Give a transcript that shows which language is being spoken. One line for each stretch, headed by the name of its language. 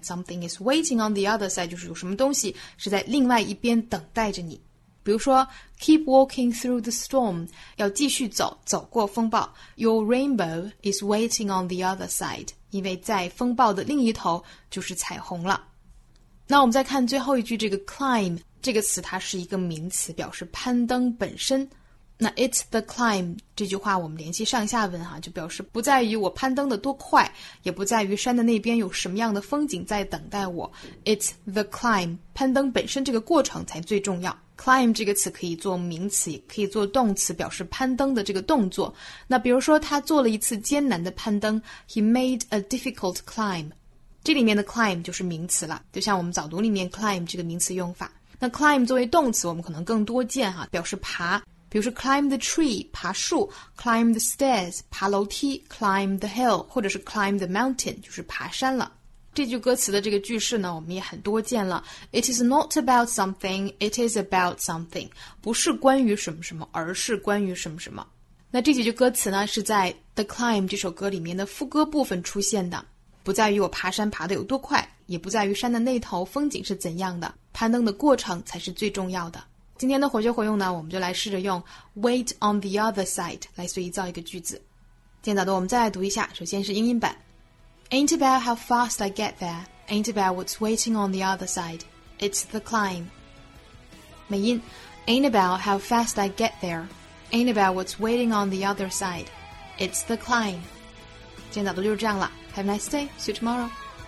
Chinese: Something is waiting on the other side, 就是有什么东西是在另外一边等待着你。比如说 keep walking through the storm, 要继续走，走过风暴。
English: Your rainbow is waiting on the other side, 因为在风暴的另一头就是彩虹了。
Chinese: 那我们再看最后一句，这个 climb, 这个词它是一个名词，表示攀登本身。那 it's the climb, 这句话我们联系上下文哈、啊、就表示不在于我攀登的多快，也不在于山的那边有什么样的风景在等待我。 It's the climb, 攀登本身这个过程才最重要。 Climb 这个词可以做名词，也可以做动词，表示攀登的这个动作。那比如说他做了一次艰难的攀登， He made a difficult climb. 这里面的 climb 就是名词了，就像我们早读里面 climb 这个名词用法。那 climb 作为动词我们可能更多见哈、啊，表示爬，比如说 climb the tree 爬树， climb the stairs 爬楼梯， climb the hill 或者是 climb the mountain 就是爬山了。这句歌词的这个句式呢，我们也很多见了。
English: It is not about something, it is about something.
Chinese: 不是关于什么什么，而是关于什么什么。那这几句歌词呢，是在 The Climb 这首歌里面的副歌部分出现的。不在于我爬山爬得有多快，也不在于山的那头风景是怎样的，攀登的过程才是最重要的。今天的活学活用呢，我们就来试着用 Wait on the other side 来随意造一个句子。今天早的我们再来读一下，首先是英音版。
English: Ain't about how fast I get there. Ain't about what's waiting on the other side. It's the climb. 美音 Ain't about how fast I get there. Ain't about what's waiting on the other side. It's the climb. 今天早读就是这样了。 Have a nice day. See you tomorrow.